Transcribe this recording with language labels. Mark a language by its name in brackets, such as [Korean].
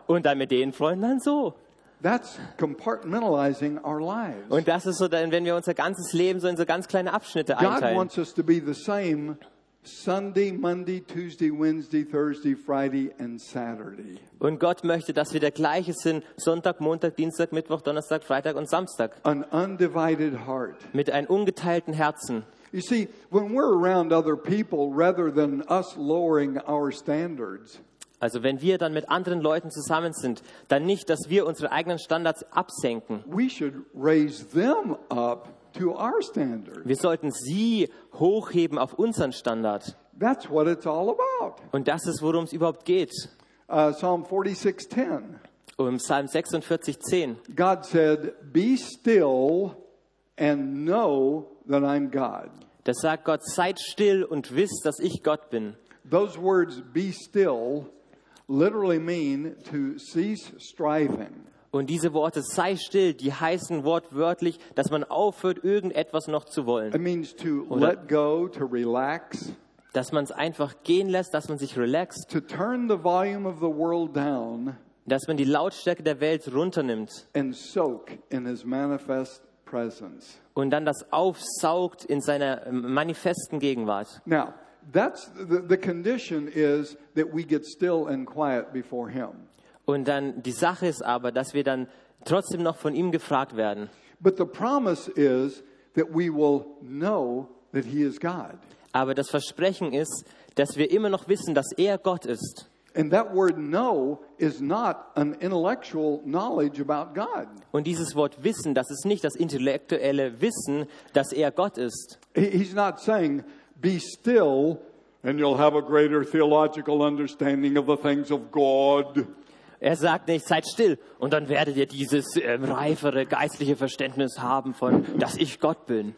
[German] Und dann mit den Freunden dann so. [English] That's compartmentalizing our lives. [German] Und das ist so, dann, wenn wir unser ganzes Leben so in so ganz kleine Abschnitte [English] God [German] einteilen. [English] God wants us to be the same Sunday, Monday, Tuesday, Wednesday, Thursday, Friday and Saturday. [German] Und Gott möchte, dass wir der gleiche sind Sonntag, Montag, Dienstag, Mittwoch, Donnerstag, Freitag und Samstag. [English] An undivided heart. [German] Mit einem ungeteilten Herzen. [English] You see, when we're around other people, rather than us lowering our standards. [German] Also, wenn wir dann mit anderen Leuten zusammen sind, dann nicht, dass wir unsere eigenen Standards absenken. [English] We should raise them up to our standards. [German] Wir sollten sie hochheben auf unseren Standard. [English] That's what it's all about. [German] Und das ist, worum es überhaupt geht. [English] Psalm 46:10. [German] Und Psalm 46:10. [English] God said, "Be still and know." That I'm God. [German] Das sagt Gott, seid still und wisst, dass ich Gott bin. [English] Those words be still literally mean to cease striving. [German] Und diese Worte sei still, die heißen wortwörtlich, dass man aufhört irgendetwas noch zu wollen. [English] It means to let go, to relax. [German] Dass man es einfach gehen lässt, dass man sich relaxt. [English] To turn the volume of the world down. [German] Dass man die Lautstärke der Welt runternimmt. [English] And soak in his manifest presence. [German] Und dann das aufsaugt in seiner manifesten Gegenwart. [English] Now, that's the condition is that we get still and quiet before him. [German] Und dann die Sache ist aber, dass wir dann trotzdem noch von ihm gefragt werden. [English] But the promise is that we will know that he is God. [German] Aber das Versprechen ist, dass wir immer noch wissen, dass er Gott ist. [English] And that word know is not an intellectual knowledge about God. [German] Und dieses Wort wissen, das ist nicht das intellektuelle Wissen, dass er Gott ist. [English] He's not saying be still and you'll have a greater theological understanding of the things of God. [German] Er sagt nicht, seid still und dann werdet ihr dieses reifere geistliche Verständnis haben von dass ich Gott bin.